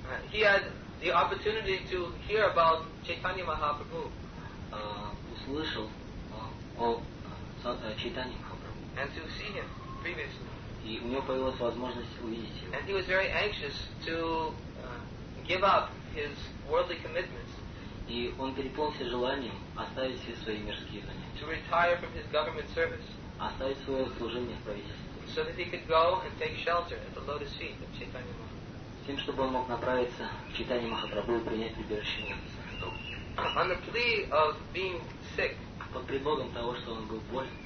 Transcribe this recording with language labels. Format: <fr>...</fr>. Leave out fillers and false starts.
<en>He had the opportunity to hear about Chaitanya Mahaprabhu.</en> <ru>Услышал о Чайтанье Махапрабху.</ru> <en>And to see him previously.</en> <ru>И у него появилась возможность увидеть его.</ru> <en>And he was very anxious to give up his worldly commitments.</en> <ru>И он переполнился желанием оставить все свои мирские занятия.</ru> <en>To retire from his government service.</en> <ru>Оставить свое служение в правительстве.</ru> <en>So that he could go and take shelter at the lotus feet of Chaitanya Mahaprabhu.</en> <ru>Тем, чтобы он мог направиться в читание Махапрабху и принять прибежище на</ru> <en>On the plea of being sick,</en> <ru>под предлогом того, что он был болен,</ru>